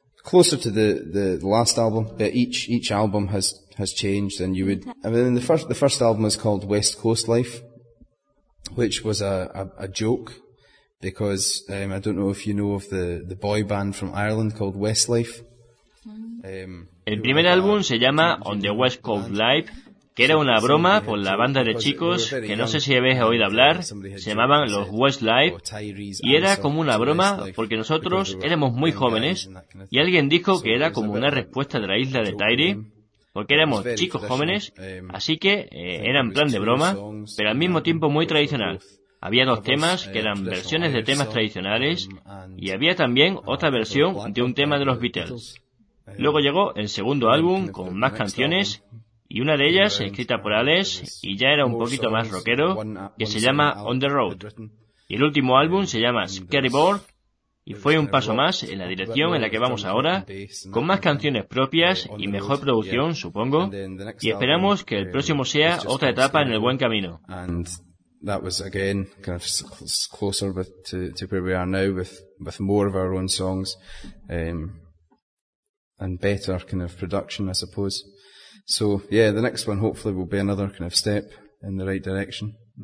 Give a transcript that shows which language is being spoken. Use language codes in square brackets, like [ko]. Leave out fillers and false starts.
[en] Closer to the last album, but each album has changed, and you would. I mean, the first album is called West Coast Life, which was a joke, because I don't know if you know of the boy band from Ireland called Westlife. [es] El primer álbum se llama On the West Coast Life, que era una broma por la banda de chicos que no sé si habéis oído hablar, se llamaban los Westlife, y era como una broma porque nosotros éramos muy jóvenes y alguien dijo que era como una respuesta de la isla de Tyree, porque éramos chicos jóvenes, así que era en plan de broma, pero al mismo tiempo muy tradicional. Había dos temas que eran versiones de temas tradicionales y había también otra versión de un tema de los Beatles. Luego llegó el segundo álbum con más canciones y una de ellas escrita por Alex y ya era un poquito más rockero, que se llama On the Road. Y el último álbum se llama Scary Board y fue un paso más en la dirección en la que vamos ahora, con más canciones propias y mejor producción, supongo, y esperamos que el próximo sea otra etapa en el buen camino. [en] That was again kind of closer with to where we are now with more of our own songs, and better kind of production, I suppose. So yeah, the next one hopefully will be another kind of step in the right direction.